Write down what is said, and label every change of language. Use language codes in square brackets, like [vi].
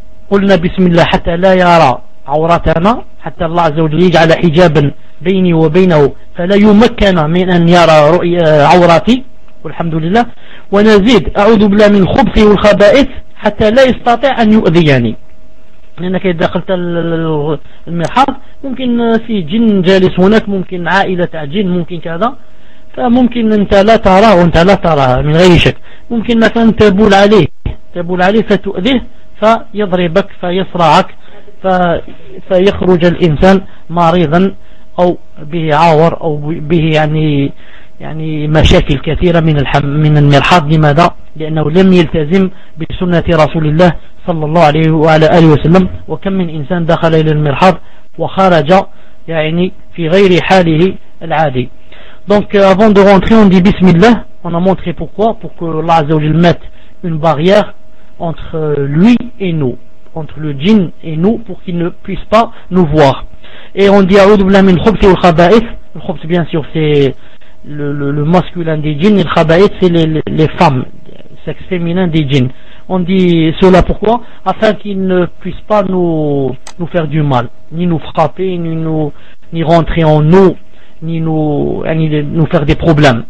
[ar] Qulna bismillah hatta la yara awratana, hatta Allah azza wa jalla yaj'ala hijaban bayni wa baynahu, fa la yumakkana min an yara awrati, walhamdulillah. Wa nazid a'udhu billah min khubthi wal khaba'ith حتى لا يستطيع أن يؤذيني. لأنك إذا دخلت المرحاض ممكن في جن جالس هناك، ممكن عائلة جن، ممكن كذا، فممكن أنت لا تراه وأنت لا تراه من غير شك، ممكن مثلا تبول عليه فتؤذيه فيضربك فيصرعك فيخرج الإنسان مريضا أو به عور أو به يعني مشاكل كثيرة من المرحاض. لماذا؟ لأنه لم يلتزم بسنة رسول الله صلى الله عليه وعلى آله وسلم. وكم من إنسان دخل إلى المرحاض وخرج يعني في غير حاله العادي. [fr] Donc avant de rentrer on dit bismillah. On a montré pourquoi, pour que Allah [ar] عز وجل [fr] mette une barrière entre lui et nous, entre le djinn et nous, pour qu'il ne puisse pas nous voir. Et on dit [ar] أعوذ بالله من الخبث والخبائث. [fr] Le خبث bien sûr c'est le masculin des djinns, le khaba'it c'est les femmes, le sexe féminin des djinns. On dit cela pourquoi? Afin qu'ils ne puissent pas nous faire du mal, ni nous frapper, ni rentrer en nous, ni nous faire des problèmes.